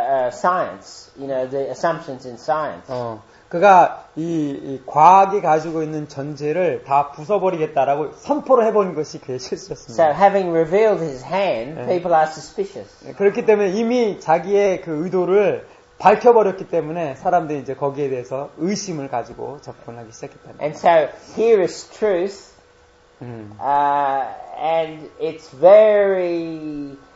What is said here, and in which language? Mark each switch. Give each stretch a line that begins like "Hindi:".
English: Science, you know, the assumptions in science.
Korean: 그가 이 과학이 가지고 있는 전제를 다 부숴버리겠다라고 선포를 해본 것이 그의 실수였습니다.
English: So having revealed his hand, people are suspicious.
Korean: 그렇기 때문에 이미 자기의 그 의도를 밝혀버렸기 때문에 사람들이 이제 거기에 대해서 의심을 가지고 접근하기 시작했다는.
English: And so here is truth, and it's very.